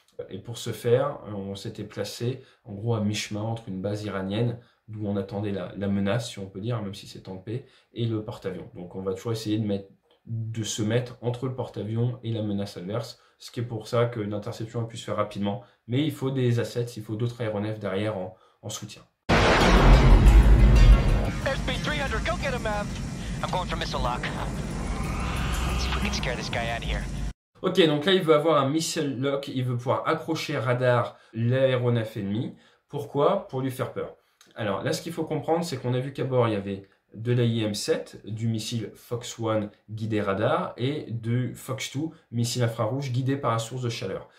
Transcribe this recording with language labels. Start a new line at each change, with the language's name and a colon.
French: Et pour ce faire, on s'était placé en gros à mi-chemin entre une base iranienne, d'où on attendait la menace, si on peut dire, même si c'est en paix, et le porte-avions. Donc on va toujours essayer de se mettre entre le porte-avions et la menace adverse. Ce qui est pour ça que l'interception a pu se faire rapidement. Mais il faut des assets, il faut d'autres aéronefs derrière en soutien.
English: SP-300, go get him, Mav. I'm going for missile lock. Let's see if we can scare this guy out of here.
French: Ok, donc là, il veut avoir un missile lock. Il veut pouvoir accrocher radar l'aéronef ennemi. Pourquoi ? Pour lui faire peur. Alors là, ce qu'il faut comprendre, c'est qu'on a vu qu'à bord, il y avait de l'AIM-7, du missile Fox 1 guidé radar, et du Fox 2, missile infrarouge guidé par la source de chaleur.